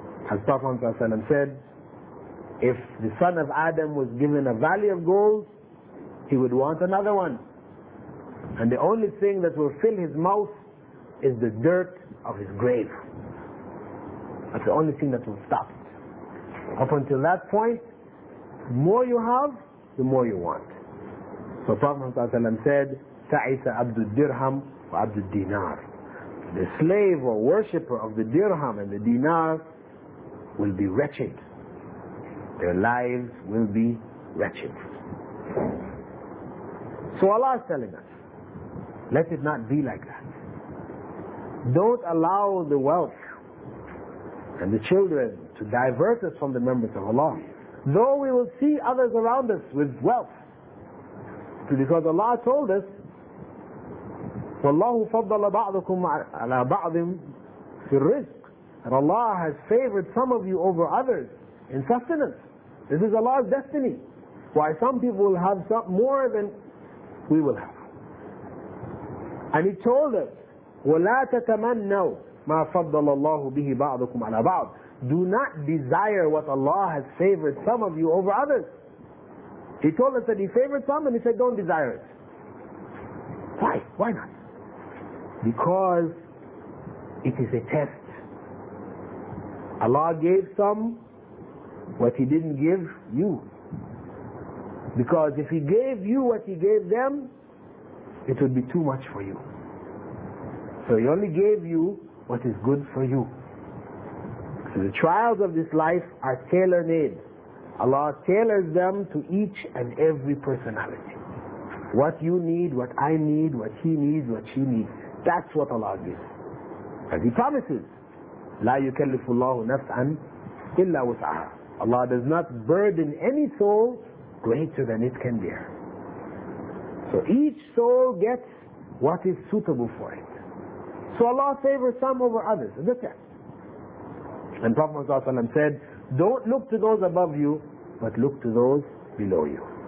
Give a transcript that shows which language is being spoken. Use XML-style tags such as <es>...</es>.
<en>As Prophet ﷺ said, if the son of Adam was given a valley of gold, he would want another one. And the only thing that will fill his mouth is the dirt of his grave. That's the only thing that will stop. Up until that point, the more you have, the more you want. So Prophet ﷺ said,</en> <ar>تَعِسَ عَبْدُ الدِّرْهَمْ وَعَبْدُ الدِّينَارِ.</ar> <en>The slave or worshipper of the dirham and the dinar will be wretched. Their lives will be wretched. So Allah is telling us, let it not be like that. Don't allow the wealth and the children to divert us from the remembrance of Allah. Though we will see others around us with wealth. Because Allah told us,</en> <ar>وَاللَّهُ فَضَّلَ بَعْضُكُمْ عَلَى بَعْضٍ فِي الرِّزْقِ.</ar> <en>And Allah has favored some of you over others in sustenance. This is Allah's destiny. Why some people will have some more than we will have. And He told us,</en> <ar>وَلَا تَتَمَنَّوْا مَا فَضَّلَ اللَّهُ بِهِ بَعْضُكُمْ عَلَى بَعْضٍ.</ar> <en>Do not desire what Allah has favored some of you over others. He told us that he favored some and he said, don't desire it. Why? Why not? Because it is a test. Allah gave some what he didn't give you. Because if he gave you what he gave them, it would be too much for you. So he only gave you what is good for you. So the trials of this life are tailor-made. Allah tailors them to each and every personality. What you need, what I need, what he needs, what she needs. That's what Allah gives. As he promises,</en> <ar>لا يكلف الله نفسا إلا وسعها.</ar> <en>Allah does not burden any soul greater than it can bear. So each soul gets what is suitable for it. So Allah favors some over others. Look at that. And Prophet ﷺ said, don't look to those above you, but look to those below you.</en>